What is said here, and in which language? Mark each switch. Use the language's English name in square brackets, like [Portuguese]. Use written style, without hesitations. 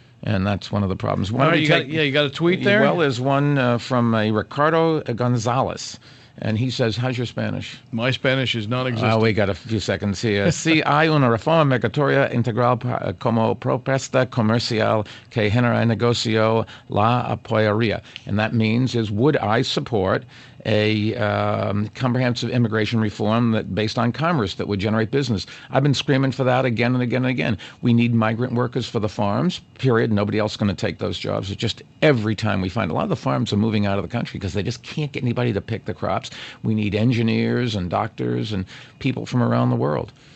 [English] And that's one of the problems. You got a tweet there? Well, there's one from Ricardo Gonzalez. And he says, how's your Spanish? My Spanish is non-existent. We got a few seconds here. [Spanish] Si hay una reforma migratoria integral como propuesta comercial que genera negocio, la apoyaría. [English] And that means is, would I support a comprehensive immigration reform that based on commerce that would generate business? I've been screaming for that again and again and again. We need migrant workers for the farms, period. Nobody else is going to take those jobs. It's just every time we find a lot of the farms are moving out of the country because they just can't get anybody to pick the crops. We need engineers and doctors and people from around the world.